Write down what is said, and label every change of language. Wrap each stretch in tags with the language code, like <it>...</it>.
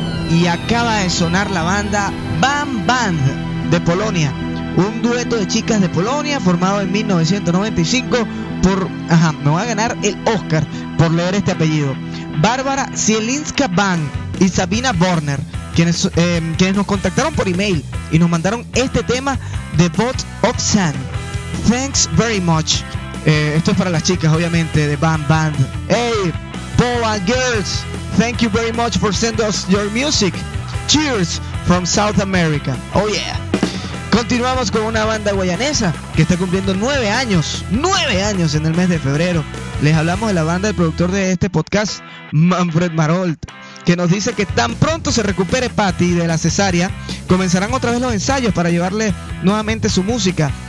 <es>y acaba de sonar la banda Bam Band de Polonia, un dueto de chicas de Polonia formado en 1995 por, me va a ganar el Oscar por leer este apellido, Bárbara Zielinska Band y Sabina Borner, quienes nos contactaron por email y nos mandaron este tema de Boat of Sand.</es> <en>Thanks very much.</en> <es>Esto es para las chicas, obviamente, de Bam Band.</es> <en>Hey, Boa Girls, thank you very much for sending us your music. Cheers from South America. Oh yeah.</en> <es>Continuamos con una banda guayanesa que está cumpliendo 9 años. 9 años en el mes de febrero. Les hablamos de la banda del productor de este podcast, Manfred Marolt, que nos dice que tan pronto se recupere Patty de la cesárea, comenzarán otra vez los ensayos para llevarle nuevamente su música.</es>